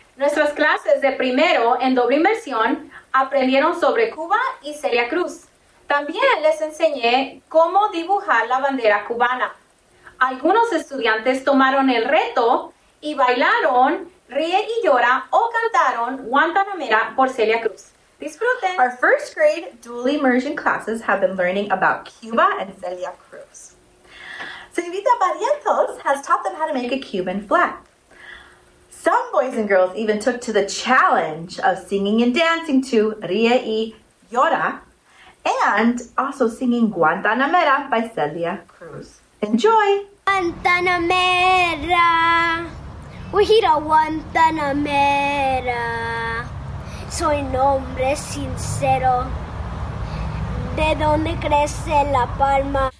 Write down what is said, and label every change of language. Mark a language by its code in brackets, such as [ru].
[es] Nuestras clases de primero en doble inmersión aprendieron sobre Cuba y Celia Cruz. También les enseñé cómo dibujar la bandera cubana. Algunos estudiantes tomaron el reto y bailaron, ríe y llora o cantaron Guantanamera por Celia Cruz. Disfruten. [en] Our first grade dual immersion classes have been learning about Cuba and Celia Cruz. Sevita Barrientos has taught them how to make a Cuban flag. Some boys and girls even took to the challenge of singing and dancing to Ríe y Llora, and also singing Guantanamera by Celia Cruz. Enjoy! [es] Guantanamera, Guajira Guantanamera, soy nombre sincero, de donde crece la palma.